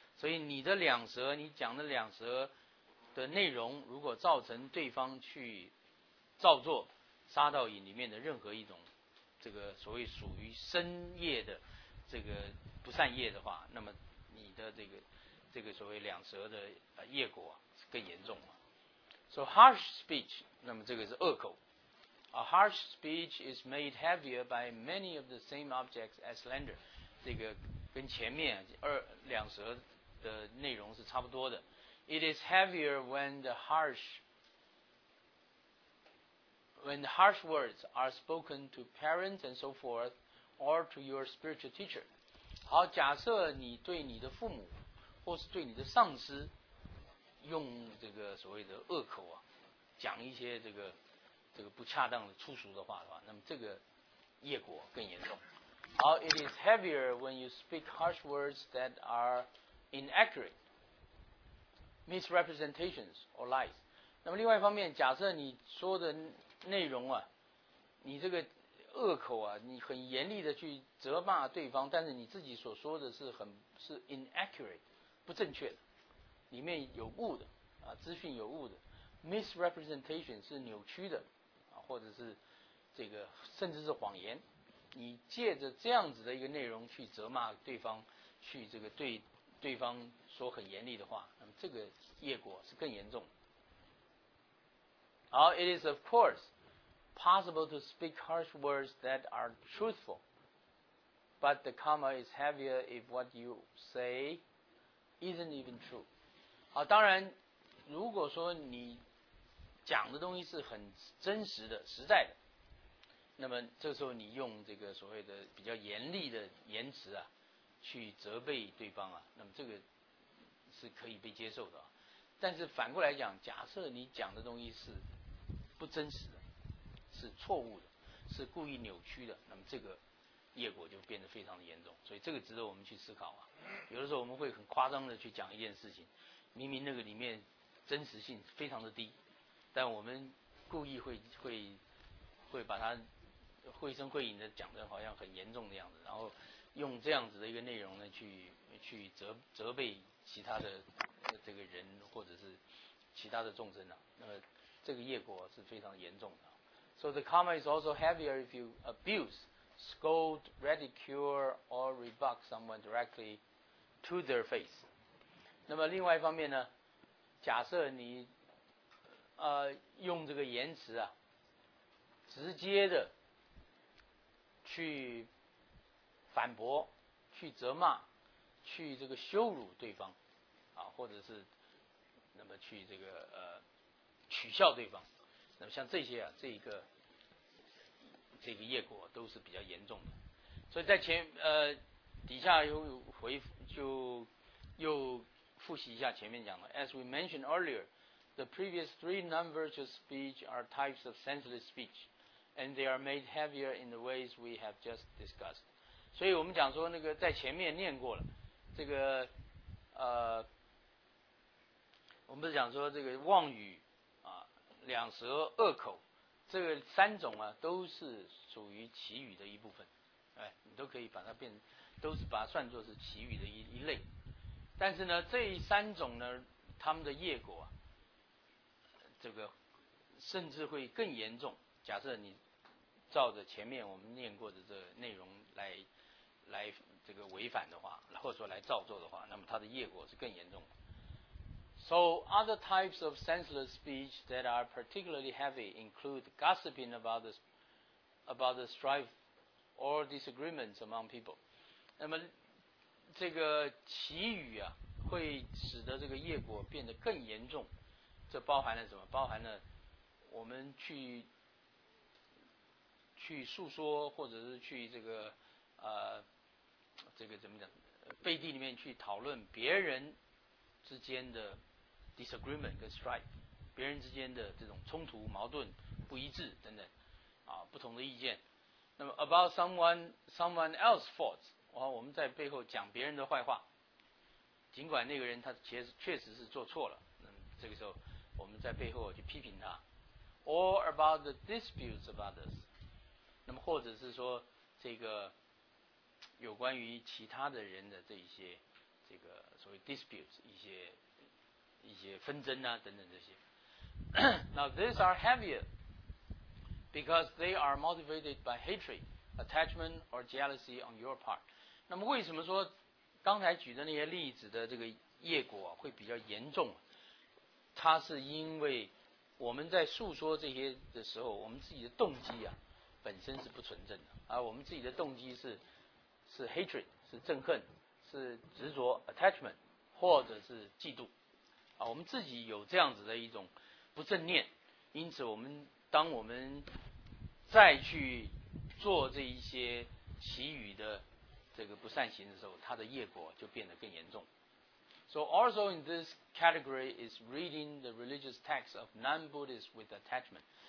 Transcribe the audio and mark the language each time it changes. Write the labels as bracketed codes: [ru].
[zh] 所以你的两舌，你讲的两舌的内容，如果造成对方去造作杀盗淫里面的任何一种这个所谓属于深业的这个不善业的话，那么你的这个所谓两舌的业果更严重了。 [en] So harsh speech, [zh] 那么这个是恶口。 [en] A harsh speech is made heavier by many of the same objects as slander. [zh] 这个跟前面两舌的内容是差不多的。 [en] It is heavier when the harsh words are spoken to parents and so forth, or to your spiritual teacher. [zh] 好，假设你对你的父母或是对你的上司用这个所谓的恶口啊，讲一些这个不恰当的粗俗的话的话，那么这个业果更严重。 [en] 好 ，It is heavier when you speak harsh words that are inaccurate, misrepresentations or lies. [zh] 那么另外一方面，假设你说的内容啊，你这个恶口啊，你很严厉的去责骂对方，但是你自己所说的是 inaccurate。不正确的，里面有误的啊，资讯有误的， misrepresentation 是扭曲的，或者是这个甚至是谎言，你借着这样子的一个内容去责骂对方，去这个对对方说很严厉的话，那么这个业果是更严重。 [en] 好， it is of course possible to speak harsh words that are truthful, but the karma is heavier if what you say isn't even true. [zh] 好，当然如果说你讲的东西是很真实的实在的，那么这时候你用这个所谓的比较严厉的言辞啊去责备对方啊，那么这个是可以被接受的啊。但是反过来讲，假设你讲的东西是不真实的，是错误的，是故意扭曲的，那么这个业果就变得非常的严重。所以这个值得我们去思考啊。有的时候我们会很夸张的去讲一件事情，明明那个里面真实性非常的低，但我们故意会把它绘声绘影的讲得好像很严重的样子，然后用这样子的一个内容呢去责备其他的这个人或者是其他的众生啊，那么这个业果是非常严重的。 [en] So the karma is also heavier if you abuse, scold, ridicule, or rebuff someone directly to their face. [zh] 那么另外一方面呢，假设你用这个言辞啊，直接的去反驳、去责骂、去这个羞辱对方啊，或者是那么去这个取笑对方，那么像这些啊，这个业果都是比较严重的。所以在前底下又回就又复习一下前面讲的 [en] ，As we mentioned earlier, the previous three non-virtuous speech are types of senseless speech, and they are made heavier in the ways we have just discussed. [zh] 所以我们讲说那个在前面念过了，这个我们不是讲说这个妄语。两舌恶口，这个三种啊都是属于绮语的一部分，哎，你都可以把它变，都是把它算作是绮语的一类。但是呢，这三种呢，他们的业果啊，这个甚至会更严重。假设你照着前面我们念过的这个内容来这个违反的话，或者说来照做的话，那么它的业果是更严重的。 [en] So other types of senseless speech that are particularly heavy include gossiping about the strife or disagreements among people. [zh] 那么这个绮语啊，会使得这个业果变得更严重。这包含了什么？包含了我们去诉说，或者是去这个这个怎么讲？背地里面去讨论别人之间的。 Disagreement 跟 strife， 别人之间的这种冲突、矛盾、不一致等等，啊，不同的意见。那么 [en] about someone else's faults， [zh] 哇，我们在背后讲别人的坏话，尽管那个人他确实是做错了，那么这个时候我们在背后去批评他。 [en] Or about the disputes of others， [zh] 那么或者是说这个有关于其他的人的这一些这个所谓 disputes 一些纷争啊等等这些。 [en] Now these are heavier because they are motivated by hatred, attachment or jealousy on your part. [zh] 那么为什么说刚才举的那些例子的这个业果啊会比较严重？它是因为我们在诉说这些的时候，我们自己的动机啊本身是不纯正的，而我们自己的动机是 hatred， 是憎恨，是执着 attachment， 或者是嫉妒。我们自己有这样子的一种不正念，因此我们当我们再去做这一些其余的这个不善行的时候，它的业果就变得更严重。 [en] So also in this category is reading the religious texts of non-Buddhists with attachment.